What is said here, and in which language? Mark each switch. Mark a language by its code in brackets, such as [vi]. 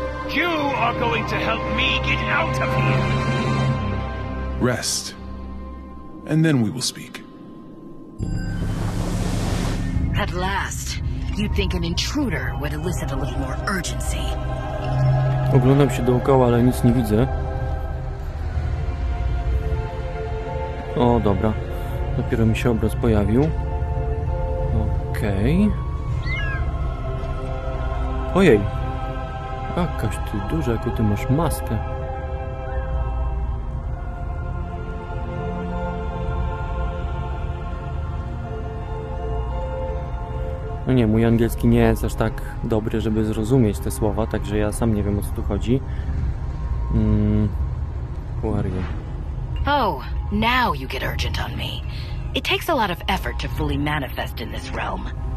[en] You are going to help me get out of here. Rest, and then we will speak. At last, you'd think an intruder would elicit a little more urgency. [pl] Oglądam się dookoła, ale nic nie widzę. O, dobra. Dopiero mi się obraz pojawił. Okej. Ojej. Jakaś ty duża, jaką ty masz maskę. No nie, mój angielski nie jest aż tak dobry, żeby zrozumieć te słowa, także ja sam nie wiem, o co tu chodzi. [en] Who are you? Oh, now you get urgent on me. It takes a lot of effort to fully manifest in this realm.